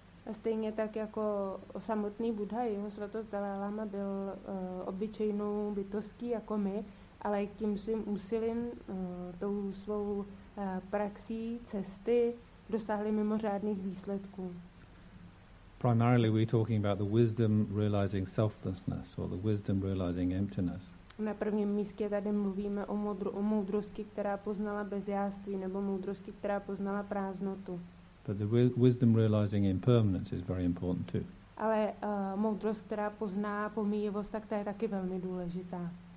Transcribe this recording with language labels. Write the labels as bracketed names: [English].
[Czech] A stejně tak jako samotný Buddha, jeho svatost Dalai Lama byl obyčejnou bytostí jako my, ale tím svým úsilím, tou svou praxí, cesty, dosáhli mimořádných výsledků. [English] Primarily we're talking about the wisdom realizing selflessness or the wisdom realizing emptiness. [Czech] Na prvním místě tady mluvíme o moudrosti, která poznala bezjáství, nebo moudrosti, která poznala prázdnotu. [English] But the wisdom realizing impermanence is very important too. [Czech] Ale moudrost, která pozná pomíjivost, tak ta je taky velmi důležitá.